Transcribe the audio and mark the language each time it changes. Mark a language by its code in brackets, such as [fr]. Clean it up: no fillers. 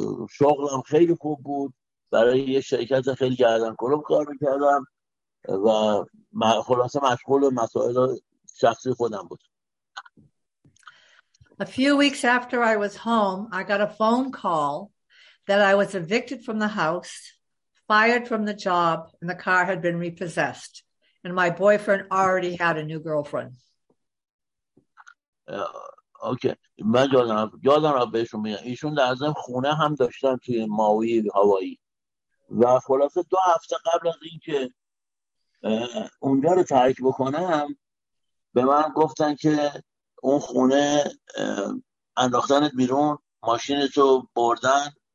[fa] شغلم خیلی خوب بود، برای یه شرکت خیلی گردن کلوب کار میکردم و خلاصه مشغول مسائل شخصی خودم بود. [en] A few weeks after I was home, I got a phone call that I was evicted from the house, fired from the job, and the car had been repossessed. And my boyfriend already had a new girlfriend. [fa] Okay. من یادم را بهشون میگم. ایشون در ازم خونه هم داشتن توی ماوی هوایی. و خلاصه دو هفته قبل از این که اونجا رو ترک بکنم به من گفتن که اون خونه انداختنت بیرون، ماشینتو بردن.